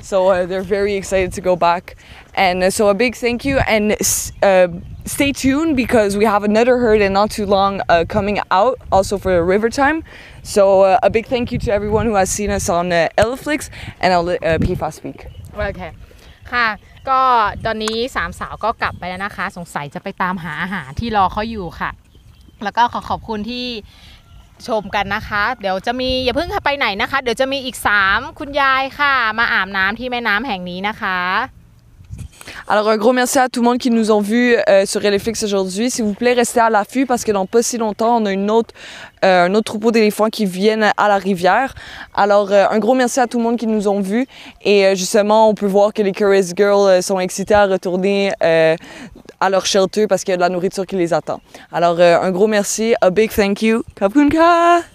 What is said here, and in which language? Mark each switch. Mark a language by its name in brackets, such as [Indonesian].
[English] So they're very excited to go back. And so a big thank you and stay tuned because we have another herd and not too long coming out also for the river time. So a big thank you to everyone who has seen us on Eleflix and I'll let Pifa speak. Okay. [Thai] ค่ะก็ตอนนี้3สาวก็กลับไปแล้วนะคะสงสัยจะไปตามหาอาหารที่รอเขาอยู่ค่ะแล้วก็ขอขอบคุณที่ชมกันนะคะเดี๋ยวจะมีอย่าเพิ่งไปไหนนะคะเดี๋ยวจะมีอีก3คุณยายค่ะมาอาบน้ำที่แม่น้ำแห่งนี้นะคะ [French] Alors un gros merci à tout le monde qui nous ont vu sur Eleflix aujourd'hui s'il vous plaît restez à l'affût parce que dans pas si longtemps on a un autre troupeau d'éléphants qui viennent à la rivière alors un gros merci à tout le monde qui nous ont vu et justement on peut voir que les Curious Girls sont excitées à retourner à leur shelter parce qu'il y a de la nourriture qui les attend alors un gros merci [English] a big thank you [French] Kapunka